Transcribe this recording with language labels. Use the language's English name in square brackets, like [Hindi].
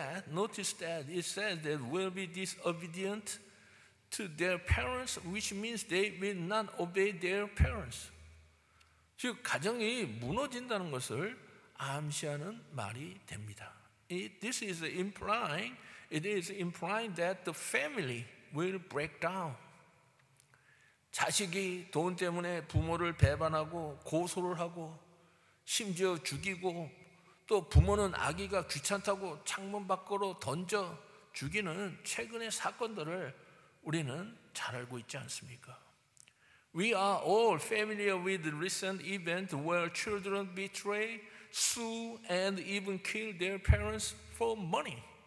[English] Notice that it says they will be disobedient to their parents, which means they will not obey their parents. [Korean] 즉 가정이 무너진다는 것을 암시하는 말이 됩니다. [English] This is implying that the family will break down. [Korean] 자식이 돈 때문에 부모를 배반하고 고소를 하고 심지어 죽이고 또 부모는 아기가 귀찮다고 창문 밖으로 던져 죽이는 최근의 사건들을 우리는 잘 알고 있지 않습니까? [English] We are all familiar with the recent event where children betray, sue, and even kill their parents for money.